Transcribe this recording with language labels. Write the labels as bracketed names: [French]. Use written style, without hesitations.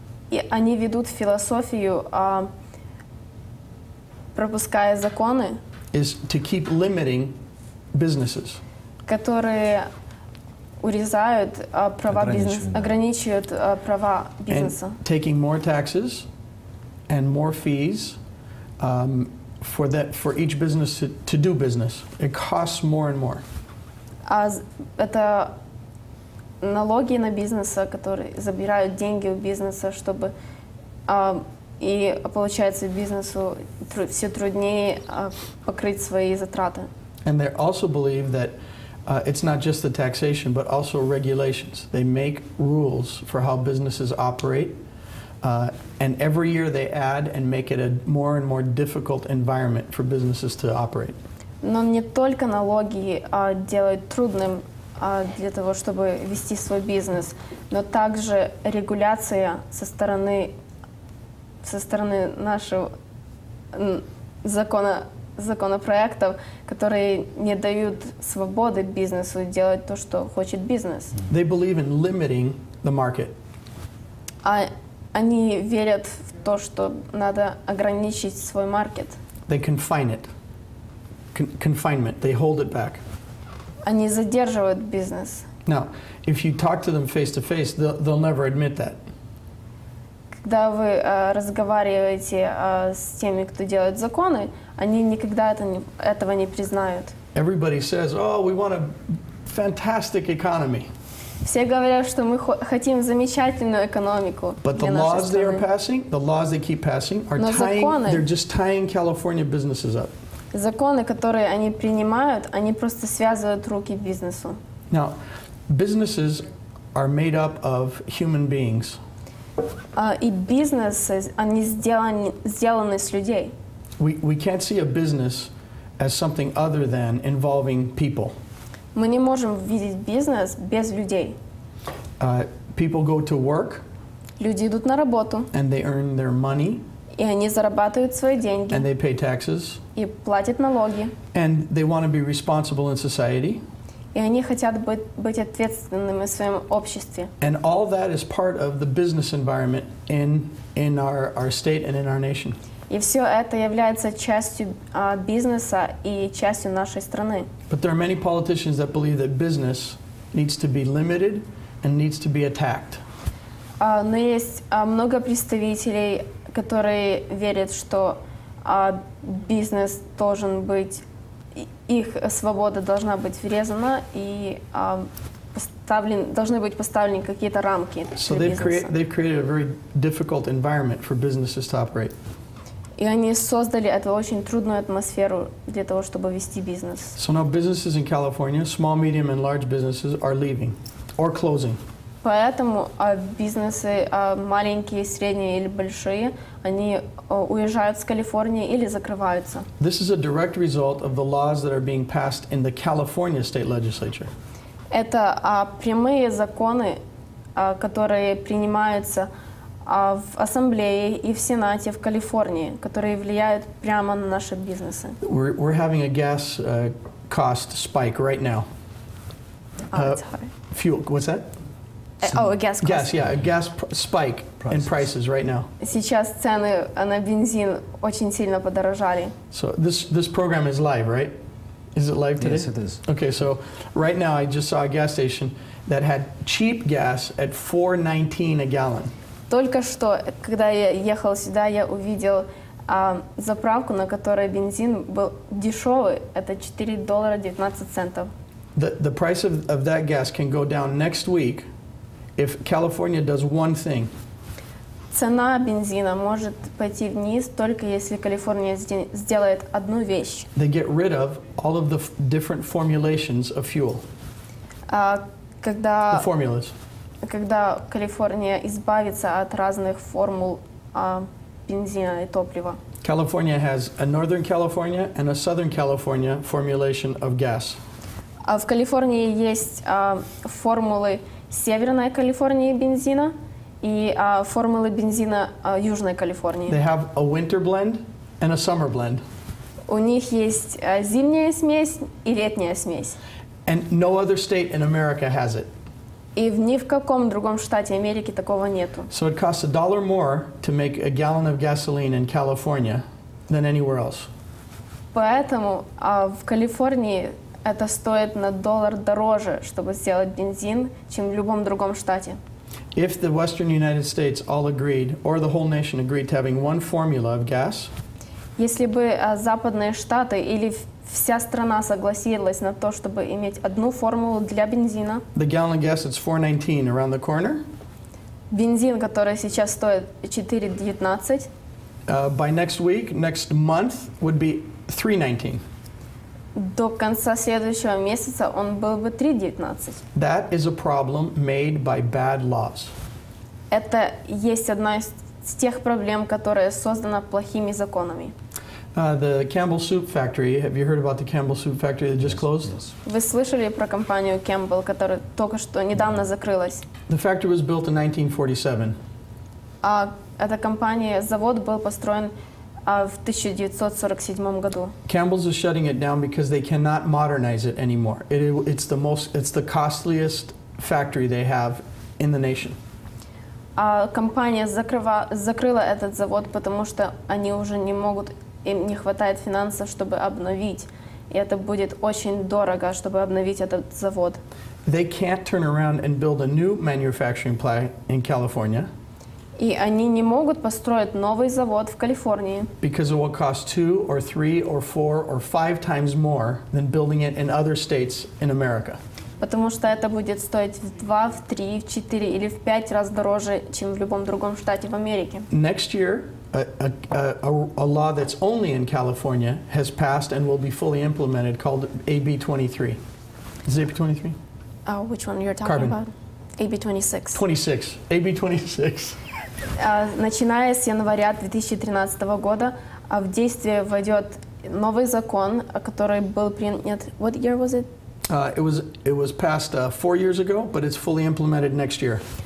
[Russian] И они ведут философию пропуская законы [English] is to keep limiting businesses. [Russian] Которые урезают права бизнеса, ограничивают права бизнеса. [English] And taking more taxes and more fees for each business to do business. It costs more and more. [Russian] Это налоги на бизнеса, которые забирают деньги у бизнеса, чтобы и получается бизнесу все труднее покрыть свои затраты. [English] And they also believe that it's not just the taxation, but also regulations. They make rules for how businesses operate. And every year they add and make it a more and more difficult environment for businesses to operate. [Russian] Но не только налоги делают трудным для того, чтобы вести свой бизнес, но также регуляция со стороны нашего законопроектов, которые не дают свободы бизнесу делать то, что хочет бизнес. [English] They believe in limiting the market. [Russian] Они верят в то, что надо ограничить свой маркет. [English] They confine it. Confinement. They hold it back. [Russian] Они задерживают бизнес. [English] Now, if you talk to them face to face, they'll never admit that. [Russian] Когда вы разговариваете с теми, кто делает законы, они никогда этого не признают. [English] Everybody says, "Oh, we want a fantastic economy." [Russian] Все говорят, что мы хотим замечательную экономику. [English] But the laws they are passing, the laws they keep passing, are tying—they're just tying California businesses up. [Russian] Законы, которые они принимают, они просто связывают руки бизнесу. [English] Now, businesses are made up of human beings. [Russian] И бизнесы, они сделаны с людей. [English] We can't see a business as something other than involving people. [Russian] Мы не можем видеть бизнес без людей. [English] People go to work. [Russian] Люди идут на работу. [English] And they earn their money. [Russian] И они зарабатывают свои деньги. [English] And they pay taxes. [Russian] И платят налоги. [English] And they want to be responsible in society. [Russian] И они хотят быть ответственными в своем обществе. [English] And all that is part of the business environment in our state and in our nation. [Russian] И все это является частью бизнеса и частью нашей страны. [English] But there are many politicians that believe that business needs to be limited and needs to be attacked. [Russian] Но есть много представителей, которые верят, что бизнес должен быть, их свобода должна быть врезана и должны быть поставлены какие-то рамки для бизнеса. [English] So they've created a very difficult environment for businesses to operate. [Russian] И они создали эту очень трудную атмосферу для того, чтобы вести бизнес. [English] So now businesses in California, small, medium, and large businesses are leaving or closing. [Russian] Поэтому бизнесы маленькие, средние или большие, они уезжают с Калифорнии или закрываются. [English] This is a direct result of the laws that are being passed in the California state legislature. [Russian] Это прямые законы, которые принимаются в Ассамблее и в Сенате в Калифорнии, которые влияют прямо на наши бизнесы. [English] We're having a gas cost spike right now. Fuel, what's that? A gas spike prices. In prices right now. [Russian] Сейчас цены на бензин очень сильно подорожали. [English] So this program is live, right? Is it live today? Yes, it is. Okay, so right now I just saw a gas station that had cheap gas at $4.19 a gallon. [Russian] Только что, когда я ехал сюда, я увидел заправку, на которой бензин был дешевый. Это $4.19. [English] The price of that gas can go down next week if California does one thing. [Russian] Цена бензина может пойти вниз только если Калифорния сделает одну вещь. [English] They get rid of all of the different formulations of fuel. [Russian] Когда [English] the formulas. [Russian] Когда Калифорния избавится от разных формул бензина и топлива. [English] California has a Northern California and a Southern California formulation of gas. [Russian] В Калифорнии есть формулы Северной Калифорнии бензина и формулы бензина Южной Калифорнии. [English] They have a winter blend and a summer blend. [Russian] У них есть зимняя смесь и летняя смесь. [English] And no other state in America has it. [Russian] И ни в каком другом штате Америки такого нету. [English] So it costs a dollar more to make a gallon of gasoline in California than anywhere else. [Russian] Поэтому в Калифорнии это стоит на доллар дороже, чтобы сделать бензин, чем в любом другом штате. [English] If the Western United States all agreed, or the whole nation agreed to having one formula of gas, [Russian] если бы западные штаты или вся страна согласилась на то, чтобы иметь одну формулу для бензина. [English] The gallon of gas is $4.19 around the corner. [Russian] Бензин, который сейчас стоит $4.19. [English] By next week, next month, would be $3.19. [Russian] До конца следующего месяца он был бы $3.19. [English] That is a problem made by bad laws. [Russian] Это есть одна из тех проблем, которая создана плохими законами. [English] The Campbell Soup Factory. Have you heard about the Campbell Soup Factory that just closed? Yes. [Russian] Вы слышали про компанию Campbell, которая только что недавно закрылась? [English] The factory was built in 1947. [Russian] Эта компания, завод был построен в 1947 году. [English] Campbell's is shutting it down because they cannot modernize it anymore. It's the costliest factory they have in the nation. [Russian] Компания закрыла этот завод, потому что они уже не могут. Им не хватает финансов, чтобы обновить И это будет очень дорого, чтобы обновить этот завод. [English] They can't turn around and build a new manufacturing plant in California. [Russian] И они не могут построить новый завод в Калифорнии. [English] Because it will cost two or three or four or five times more than building it in other states in America. [Russian] Потому что это будет стоить в два, в три, в четыре или в пять раз дороже, чем в любом другом штате в Америке. [English] Next year, a law that's only in California has passed and will be fully implemented called AB 23. Is it AB 23? Which one you're talking Carbon. About? AB 26. 26. AB 26. [Russian] Начиная с января 2013 года, в действие войдет новый закон, который был принят... [English] What year was it? It was passed 4 years ago, but it's fully implemented next year.